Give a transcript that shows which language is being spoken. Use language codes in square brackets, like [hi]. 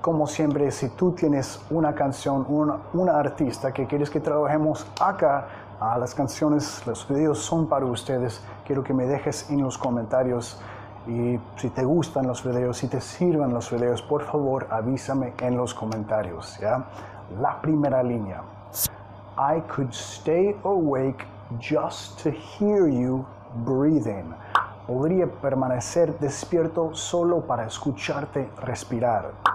[es] Como siempre, si tú tienes una canción, una artista que quieres que trabajemos acá, las canciones, los videos son para ustedes. Quiero que me dejes en los comentarios. Y si te gustan los videos, si te sirven los videos, por favor, avísame en los comentarios, ¿ya? La primera línea. [en] I could stay awake just to hear you breathing. [es] Podría permanecer despierto solo para escucharte respirar.